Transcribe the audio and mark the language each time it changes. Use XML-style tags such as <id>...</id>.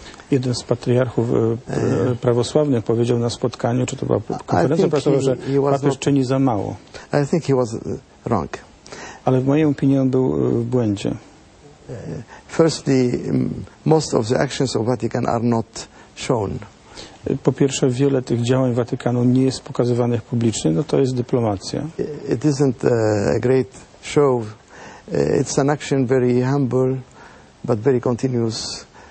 <pl>Jeden z patriarchów prawosławnych powiedział na spotkaniu, czy to była konferencja prasowa, że papież czyni za mało.</pl> <en>I think he was wrong.</en> <pl>Ale w mojej opinii on był w błędzie.</pl> <en>Firstly, most of the actions of Vatican are not shown.</en> <pl>Po pierwsze, wiele tych działań Watykanu nie jest pokazywanych publicznie, no to jest dyplomacja.</pl> <en>It isn't a great show. It's an action very humble, but very continuous.</en>